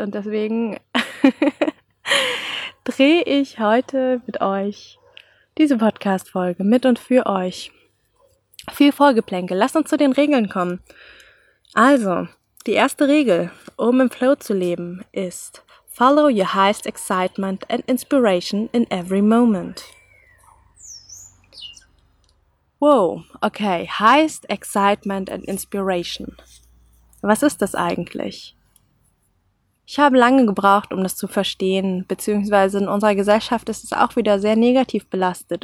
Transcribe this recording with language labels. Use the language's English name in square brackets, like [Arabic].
[German] Und deswegen drehe ich heute mit euch diese Podcast-Folge mit und für euch. Viel Vorgeplänkel. Lasst uns zu den Regeln kommen. Also, die erste Regel, um im Flow zu leben, ist, [English] Follow your highest excitement and inspiration in every moment. Wow, okay, highest excitement and inspiration. [German] Was ist das eigentlich? Ich habe lange gebraucht, um das zu verstehen, beziehungsweise in unserer Gesellschaft ist es auch wieder sehr negativ belastet.